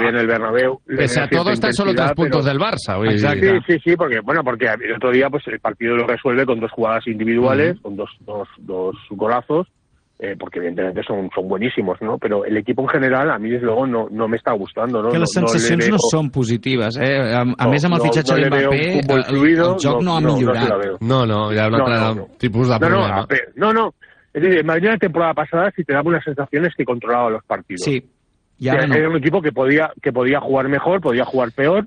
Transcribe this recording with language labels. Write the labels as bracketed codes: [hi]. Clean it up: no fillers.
[es] bien el Bernabéu, pese a todo están solo tres puntos del Barça. Sí, porque el otro día pues el partido lo resuelve con dos jugadas individuales, con dos golazos. Porque evidentemente son buenísimos, ¿no? Pero el equipo en general, a mí desde luego, no me está gustando, ¿no? [ca] Que les sensacions no són positives, A més, amb el fitxatge de Mbappé, el joc no ha millorat. No, hi ha un altre tipus de problema. No. [es] Es decir, en la primera temporada pasada, si te daba unas sensaciones que controlaba los partidos. Sí. Era un equipo que podía jugar mejor, podía jugar peor.